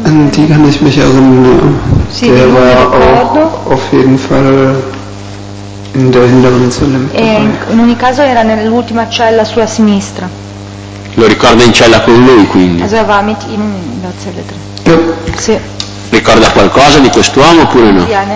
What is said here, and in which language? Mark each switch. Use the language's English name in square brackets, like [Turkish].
[German] Die kann ich mich erinnern. Der war auch auf jeden Fall in der hinteren Zelle. [Italian] In ogni caso era nell'ultima cella sulla sinistra. Lo ricorda in cella con lui, quindi. [German] Also war mit ihm in der Zelle drin. [Italian] Sì. Ricorda qualcosa di quest'uomo oppure no?